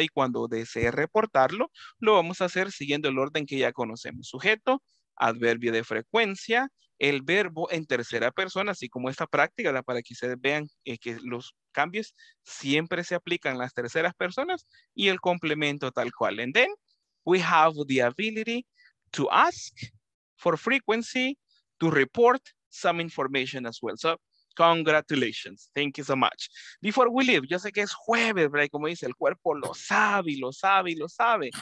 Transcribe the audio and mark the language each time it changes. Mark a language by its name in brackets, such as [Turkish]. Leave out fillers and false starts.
[Spanish] Y cuando desee reportarlo, lo vamos a hacer siguiendo el orden que ya conocemos. Sujeto, adverbio de frecuencia, el verbo en tercera persona, así como esta práctica, ¿verdad? Para que ustedes vean que los cambios siempre se aplican las terceras personas y el complemento tal cual. [English] And then we have the ability to ask for frequency to report some information as well. So, congratulations. Thank you so much. Before we leave, [Spanish] yo sé que es jueves, ¿verdad? Como dice, el cuerpo lo sabe, lo sabe, lo sabe.